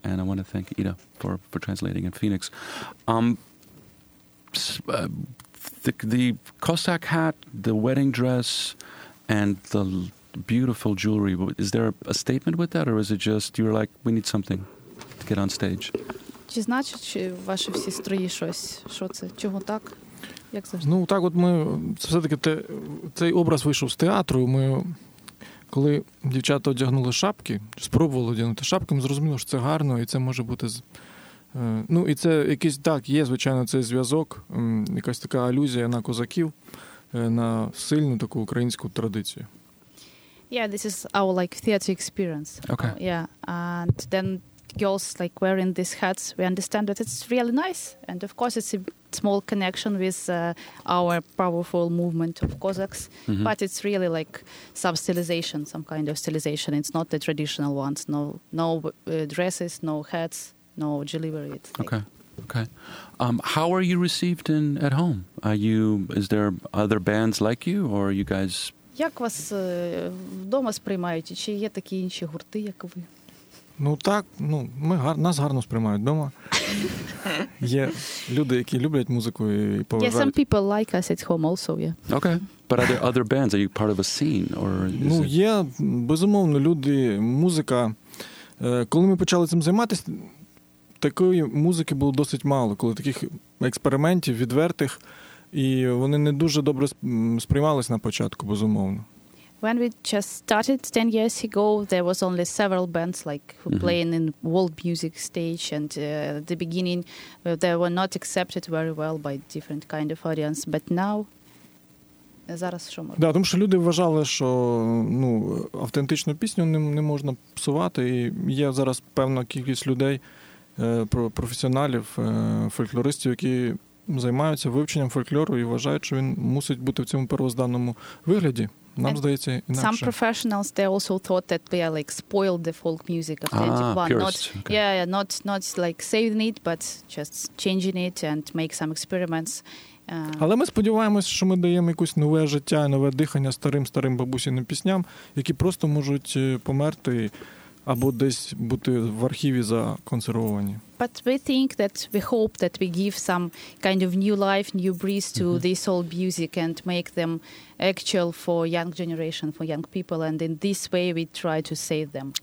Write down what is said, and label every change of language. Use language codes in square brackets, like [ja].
[en] And I want to thank Ida for translating in Phoenix. The Cossack hat, the wedding dress, and the beautiful jewelry. Is there a statement with that, or is it just you're like, we need something to get on stage? [uk] Чи значить, чи ваші всі строї щось? Що це? Чого так? Як завжди? Ну, так от ми... Це все-таки цей образ вийшов з театру. Ми, коли дівчата одягнули шапки, спробували одягнути шапки, ми зрозуміли, що це гарно, і це може бути... Ну, і це якийсь... Так, є, звичайно, цей зв'язок, якась така алюзія на козаків, на сильну таку українську традицію. [en] Yeah, this is our like theater experience. Okay. Yeah, and then girls like wearing these hats, we understand that it's really nice, and of course it's a small connection with our powerful movement of Cossacks, mm-hmm. but it's really like some stylization, some kind of stylization. It's not the traditional ones. No dresses, no hats, no jewelry. Okay. Okay. How are you received in at home? Is there other bands like you, or are you guys... [uk] Як вас вдома сприймають? Чи є такі інші гурти, як ви? Ну так, ну, нас гарно сприймають вдома. Є люди, які люблять музику і поважають. [en] Yeah, some people like us at home also, yeah. Okay. But are there other bands? Are you part of a scene? Or is [uk] ну, [en] it... [uk] є, безумовно, люди, музика. Коли ми почали цим займатися... Такої музики було досить мало, коли таких експериментів відвертих, і вони не дуже добре сприймались на початку, безумовно. [en] When we just started 10 years ago, there was only several bands like who mm-hmm. playing in world music stage, and at the beginning they were not accepted very well by different kind of audience, but now [uk] зараз що можна? Да, тому що люди вважали, що, ну, автентичну пісню не можна псувати, і є зараз певна кількість людей, професіоналів, фольклористів, які займаються вивченням фольклору і вважають, що він мусить бути в цьому первозданному вигляді. Нам [en] and [uk] здається інакше. [en] Some professionals they also thought that we are like spoiled the folk music of 21. Not okay. not like saving it, but just changing it and make some experiments. [uk] Але ми сподіваємось, що ми даємо якусь нове життя, нове дихання старим бабусіним пісням, які просто можуть померти або десь бути в архіві законсервовані. [en] But we think that we hope that we give some kind of new life, new breeze to mm-hmm. this old music and make them actual for young generation, for young people, and in this way we try to save them.